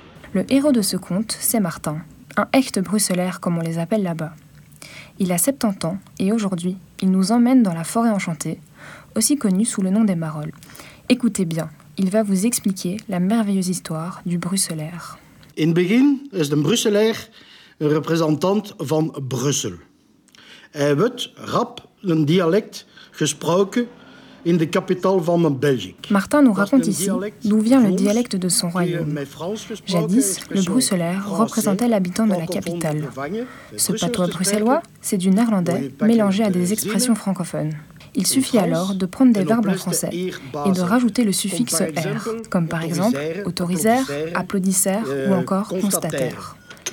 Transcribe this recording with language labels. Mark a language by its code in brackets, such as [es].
[fr] Le héros de ce conte, c'est Martin. Un echte bruxellaire, comme on les appelle là-bas. Il a 70 ans, et aujourd'hui, il nous emmène dans la forêt enchantée, aussi connu sous le nom des Marolles. Écoutez bien, il va vous expliquer la merveilleuse histoire du bruxellaire. [nl] In het begin is de bruxellaire een représentant van Brussel. Hij werd rap een dialect gesproken in de capitale van België. [fr] Martin nous raconte ici d'où vient le dialecte de son royaume. Jadis, le bruxellaire représentait l'habitant de la capitale. Ce patois bruxellois, c'est du néerlandais mélangé à des expressions francophones. Il suffit alors de prendre des verbes en français et de rajouter le suffixe « -er », comme par exemple « autoriser »,« applaudisser » ou encore « constater ».